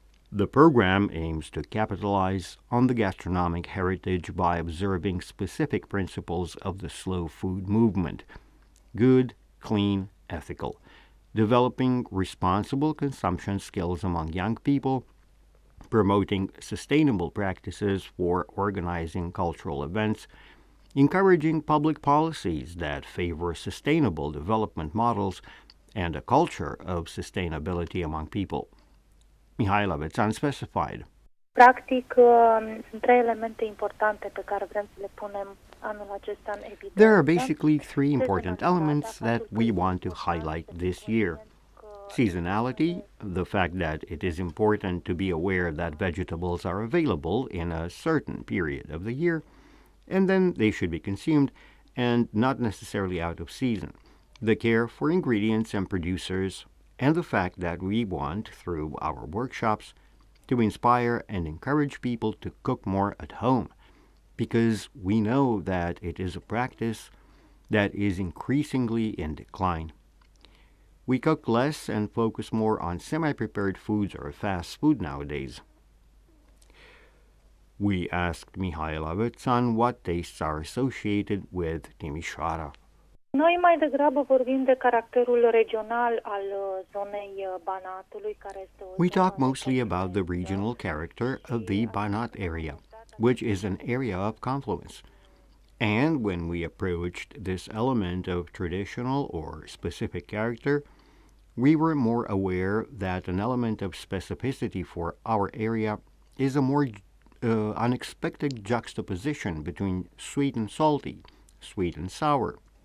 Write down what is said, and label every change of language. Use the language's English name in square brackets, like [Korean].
[English] The program aims to capitalize on the gastronomic heritage by observing specific principles of the slow food movement: good, clean, ethical, developing responsible consumption skills among young people, promoting sustainable practices for organizing cultural events, encouraging public policies that favor sustainable development models and a culture of sustainability among people. Mihaela Bețan specified. [Romanian] Practic, sunt trei elemente importante pe care vrem să le punem anul acesta în evidență. [English] There are basically three important elements that we want to highlight this year. Seasonality, the fact that it is important to be aware that vegetables are available in a certain period of the year, and then they should be consumed and not necessarily out of season. The care for ingredients and producers, and the fact that we want, through our workshops, to inspire and encourage people to cook more at home, because we know that it is a practice that is increasingly in decline. We cook less and focus more on semi-prepared foods or fast food nowadays. We asked Mihaela Bețan what tastes are associated with Timișoara. [Romanian] Noi mai degrabă vorbim de caracterul regional al zonei Banatului, care este o. [English] We talk mostly about the regional character of the Banat area, which is an area of confluence. And when we approached this element of traditional or specific character, we were more aware that an element of specificity for our area is a more unexpected juxtaposition between sweet and salty, sweet and sour.